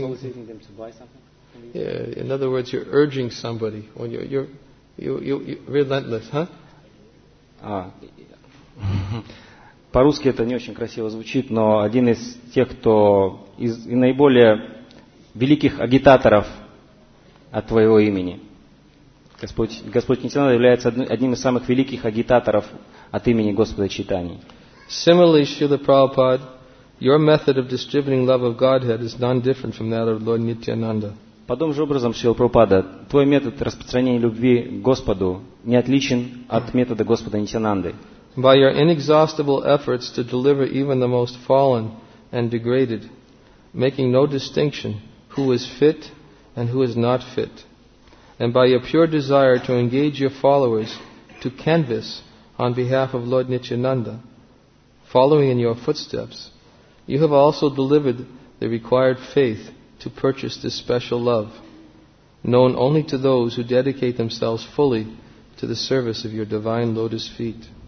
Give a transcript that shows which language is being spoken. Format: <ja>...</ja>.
<en>Soliciting them to buy something. Yeah. In other words, you're urging somebody. When you're relentless, huh?</en> <ru>По-русски это не очень красиво звучит, но один из тех, кто из наиболее великих агитаторов от твоего имени. Господь Нитьянанда является одним из самых великих агитаторов от имени Господа Чайтаньи.</ru> <en>Similarly, Srila Prabhupada, your method of distributing love of Godhead is none different from that of Lord Nityananda.</en> <ru>Подобным же образом, Шрила Прабхупада, твой метод распространения любви к Господу не отличен от метода Господа Нитьянанды.</ru> <en>By your inexhaustible efforts to deliver even the most fallen and degraded, making no distinction who is fit and who is not fit, and by your pure desire to engage your followers to canvass on behalf of Lord Nityananda, following in your footsteps, you have also delivered the required faith to purchase this special love, known only to those who dedicate themselves fully to the service of your divine lotus feet.</en>